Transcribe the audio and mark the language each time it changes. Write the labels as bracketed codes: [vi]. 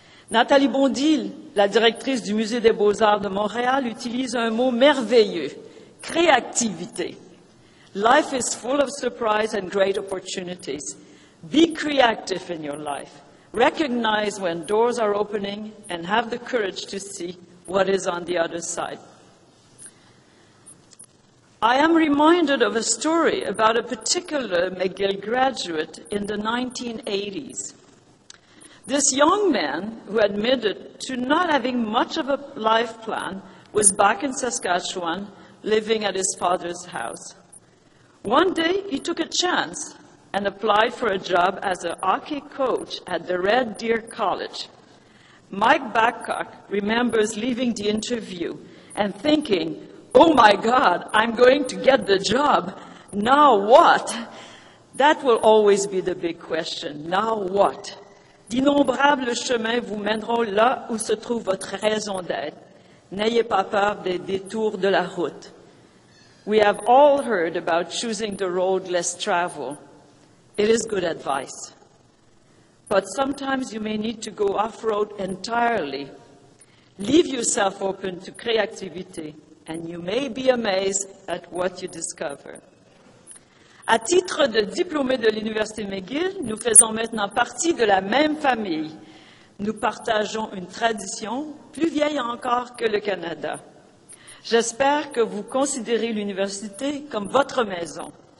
[fr] Nathalie Bondil, la directrice du Musée des Beaux-Arts de Montréal, utilise un mot merveilleux, créativité. [en] Life is full of surprise and great opportunities. Be creative in your life. Recognize when doors are opening and have the courage to see what is on the other side. I am reminded of a story about a particular McGill graduate in the 1980s. This young man, who admitted to not having much of a life plan, was back in Saskatchewan, living at his father's house. One day, he took a chance and applied for a job as a hockey coach at the Red Deer College. Mike Babcock remembers leaving the interview and thinking, oh my God, I'm going to get the job. Now what? That will always be the big question. Now what? [fr] D'innombrables chemins vous mèneront là où se trouve votre raison d'être. N'ayez pas peur des détours de la route. [en] We have all heard about choosing the road less traveled. It is good advice, but sometimes you may need to go off-road entirely. Leave yourself open to creativity, and you may be amazed at what you discover. [fr] À titre de diplômé de l'Université McGill, nous faisons maintenant partie de la même famille. Nous partageons une tradition plus vieille encore que le Canada. J'espère que vous considérez l'université comme votre maison.